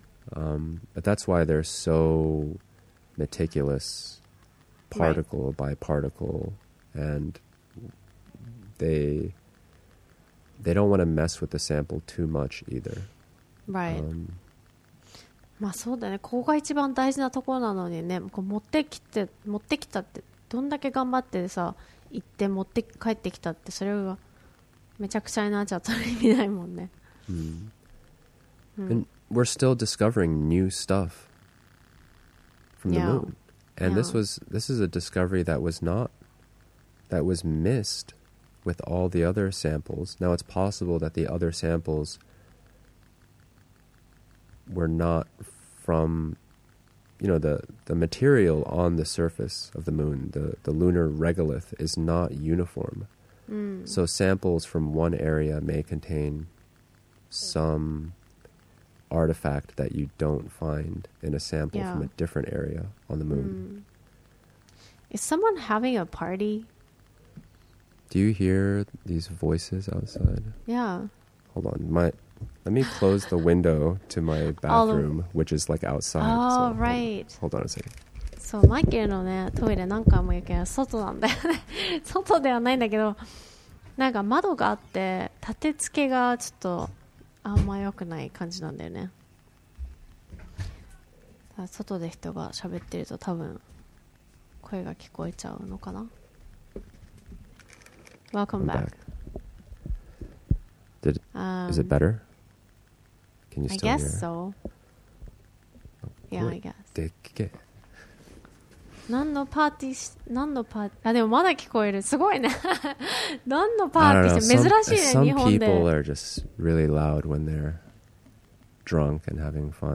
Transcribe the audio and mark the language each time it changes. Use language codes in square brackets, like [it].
[en] But that's why they're so meticulous, particle right. by particle, and they don't want to mess with the sample too much either. Right. [ja] まあそうだね。ここが一番大事なところなのにね、こう持ってきたって。どんだけ頑張ってさ行って持って帰ってきたって、それがめちゃくちゃになっちゃったら意味ないもんね。 [en] And we're still discovering new stuff from the moon. And this is a discovery that was missed with all the other samples. Now it's possible that the other samples were not from... You know, the material on the surface of the moon, the lunar regolith, is not uniform. So samples from one area may contain some artifact that you don't find in a sample from a different area on the moon. Is someone having a party? Do you hear these voices outside? Yeah. Hold on, Let me close the window to my bathroom, which is like outside. Oh, so, right. Hold on a second. [ja] そう、マイケルのね、トイレ何回も行くけど、外なんだよね。外ではないんだけど、なんか窓があって、立て付けがちょっとあんま良くない感じなんだよね。外で人が喋ってると多分声が聞こえちゃうのかな。 [en] Welcome back. Is it better? I guess so. Yeah, I guess. [ja] でっけ。何のパーティーし、何のパーティー、あ、でもまだ聞こえる。すごいね。何のパーティーして、珍しいね、日本で。 [en] Some people are just really loud when they're drunk and having fun.